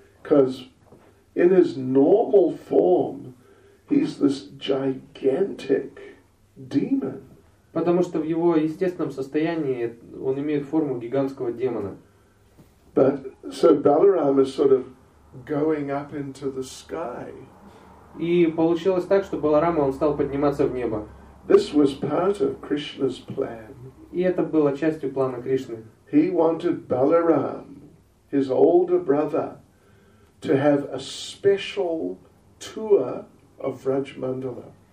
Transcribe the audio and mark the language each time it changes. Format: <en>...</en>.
<en>Because in his normal form, He's this gigantic demon.</en> <ru>Потому что в его естественном состоянии он имеет форму гигантского демона.</ru> <en>But so Balaram is sort of going up into the sky.</en> <ru>И получилось так, что Баларама он стал подниматься в небо.</ru> <en>This was part of Krishna's plan.</en> <ru>И это было частью плана Кришны.</ru> <en>He wanted Balaram, his older brother, to have a special tour of Raj Mandala.</en>